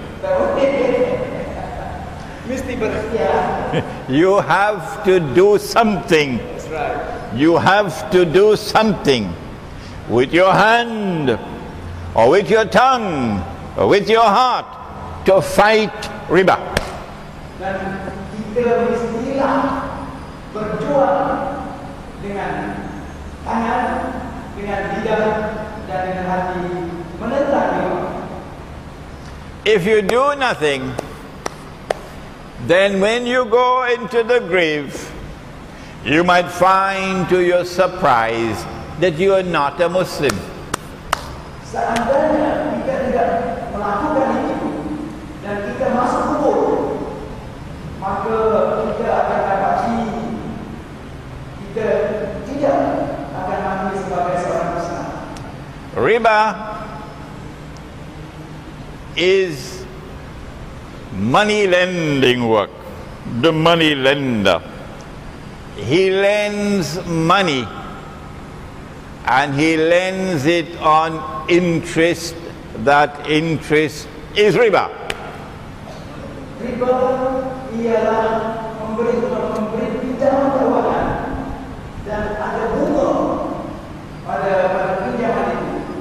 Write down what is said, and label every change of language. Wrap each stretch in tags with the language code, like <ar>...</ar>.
<ms>Tak boleh. Mesti bersedia.</ms> <en>You have to do something. You have to do something with your hand or with your tongue or with your heart to fight riba.</en> <ms>Dan kita mestilah berjuang dengan tangan, dengan lidah dan dengan hati menentang riba.</ms> <en>If you do nothing, then when you go into the grave, you might find to your surprise that you are not a Muslim.</en> <ms>Seandainya kita tidak melakukan itu dan kita masuk kubur, maka kita akan dapati kita tidak akan mati sebagai seorang Muslim.</ms> <en>Riba is money lending work. The money lender. He lends money and he lends it on interest. That interest is riba.</en> <ms>Riba ialah memberi pinjaman kewangan dan ada bunga pada pinjaman itu.</ms>